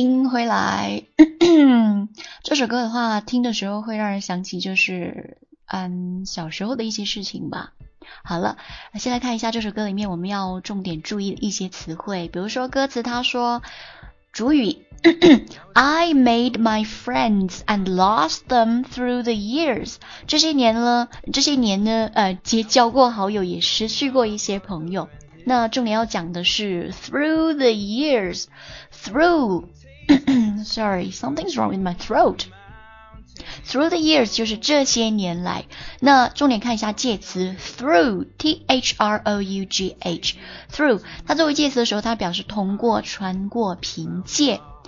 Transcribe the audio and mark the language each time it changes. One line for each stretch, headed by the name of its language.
Chinese: 回来这首歌的话听的时候会让人想起就是小时候的一些事情吧。好了，先来看一下这首歌里面我们要重点注意的一些词汇。比如说歌词它说主语
English: I made my friends and lost them through the years.
Chinese: 这些年呢结交过好友也失去过一些朋友。那重点要讲的是
English: through the years, through sorry, something's wrong with my throat. Through the years
Chinese: 就是这些年来，那重点看一下介词 through, T-H-R-O-U-G-H, through, 它作为介词的时候它表示通过、穿过、凭借。